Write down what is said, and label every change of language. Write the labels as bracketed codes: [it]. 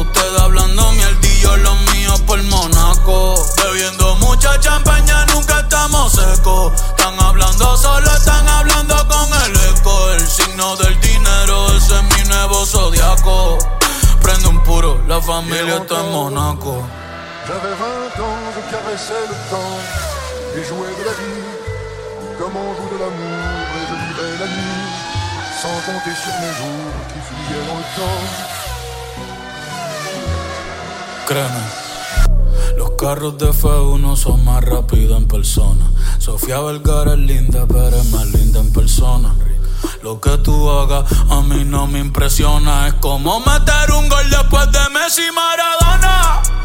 [es] Ustedes hablando mierda y yo lo mío por Monaco. Bebiendo mucha champaña, nunca estamos secos. Están hablando solo, están hablando con el eco. El signo del dinero, ese es mi nuevo zodiaco. Prende un puro, la familia está en Monaco. [fr] J'avais 20 ans, je caressais le temps et jouais de la vie comme on joue de l'amour. Et je vivais la nuit sans compter sur mes jours qui fuyaient dans le temps. Crème. [es] Los carros de F1 son más rápidos en persona. Sofía Vergara es linda, pero es más linda en persona. Lo que tú hagas a mí no me impresiona. Es como meter un gol después de Messi y Maradona.